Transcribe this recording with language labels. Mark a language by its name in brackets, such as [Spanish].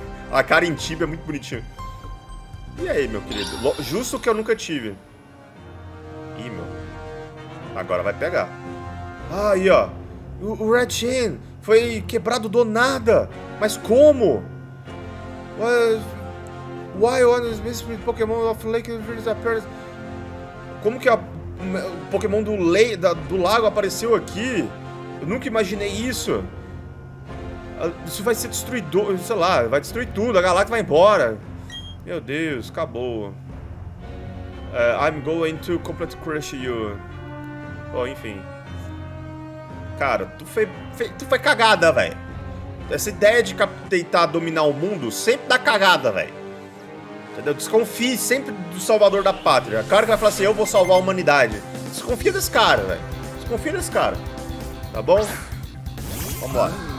[Portuguese] A cara em Tibia é muito bonitinha. E aí, meu querido? Justo que eu nunca tive. Ih, meu. Agora vai pegar. Aí, ó. O Rattchain foi quebrado do nada. Mas como? [English] Why one of the mystery Pokémon of Lake Virus appears? [Portuguese] Como que o Pokémon do lago apareceu aqui? Eu nunca imaginei isso. Isso vai ser destruidor, sei lá, vai destruir tudo, a galáxia vai embora. Meu Deus, acabou. [English] I'm going to completely crush you. [Portuguese] Oh, enfim. Cara, tu foi cagada, velho. Essa ideia de tentar dominar o mundo sempre dá cagada, velho. Entendeu? Desconfie sempre do salvador da pátria. O cara que vai falar assim, eu vou salvar a humanidade. Desconfia desse cara, velho. Desconfia desse cara. Tá bom? Vambora.